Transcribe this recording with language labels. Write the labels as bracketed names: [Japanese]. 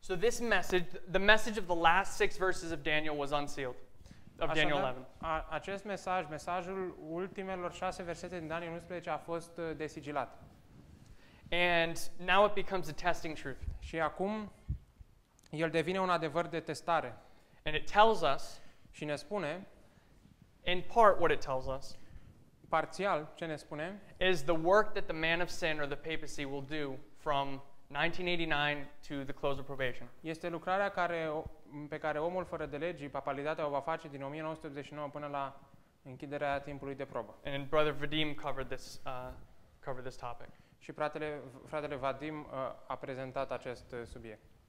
[English] So this message, the message of the last six verses of Daniel was unsealed. Of Daniel 11. [Romanian] Acest mesaj, mesajul ultimelor 6 versete din Daniel 11 a fost desigilat. [English] And now it becomes a testing truth. [Romanian] Și acum el devine un adevăr de testare. [English] And it tells us, [Romanian] și ne spune, [English] in part what it tells us, [Romanian] parțial ce ne spune, [English] is the work that the man of sin or the papacy will do from 1989 to the close of probation. [Romanian] Este lucrarea care pe care omul fără de legi, papalitatea o va face din 1989 până la închiderea timpului de probă. [English] And brother Vadim covered this topic. [Romanian] Și fratele Vadim a prezentat acest subiect.